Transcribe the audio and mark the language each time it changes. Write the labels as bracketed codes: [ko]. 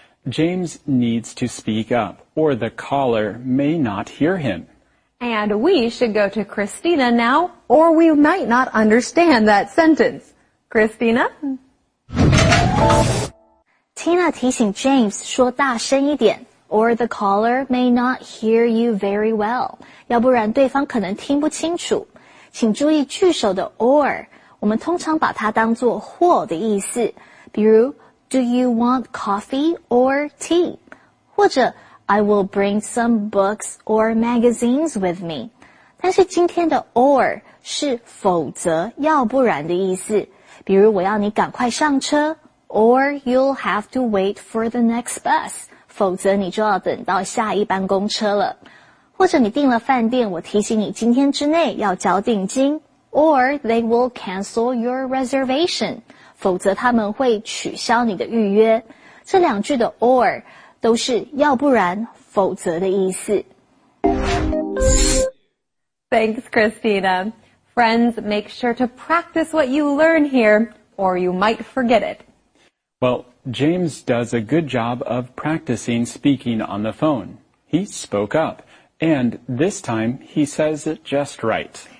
[en] James needs to speak up, or the caller may not hear him. And we should go to Christina now, or we might not understand that sentence. Christina? Tina [zh] 提醒 [en] James [zh] 说大声一点 [en] or the caller may not hear you very well. [zh] 要不然对方可能听不清楚。请注意句首的 or, 我们通常把它当作或的意思。比如 [en] ,do you want coffee or tea? [zh] 或者 [en] ,I will bring some books or magazines with me. [zh] 但是今天的 or 是否则要不然的意思。比如我要你赶快上车。 [en] Or you'll have to wait for the next bus. [zh] 否则你就要等到下一班公车了。或者你订了饭店，我提醒你今天之内要交定金。 [en] Or they will cancel your reservation. [zh] 否则他们会取消你的预约。这两句的 or 都是要不然否则的意思。 [en] Thanks, Christina. Friends, make sure to practice what you learn here, or you might forget it. Well, James does a good job of practicing speaking on the phone. He spoke up, and this time he says it just right.